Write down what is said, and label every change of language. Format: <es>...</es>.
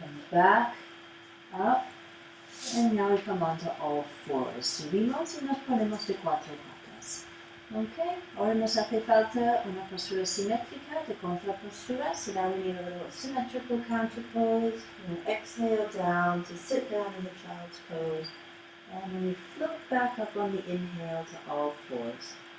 <en>Back, up, and now we come onto all fours.</en> <es>Subimos y nos ponemos de cuatro patas. Okay, ahora nos hace falta una postura simétrica de contrapostura.</es> <en>So now we need a little symmetrical counter pose. And exhale down to sit down in the child's pose. And then we float back up on the inhale to all fours.</en>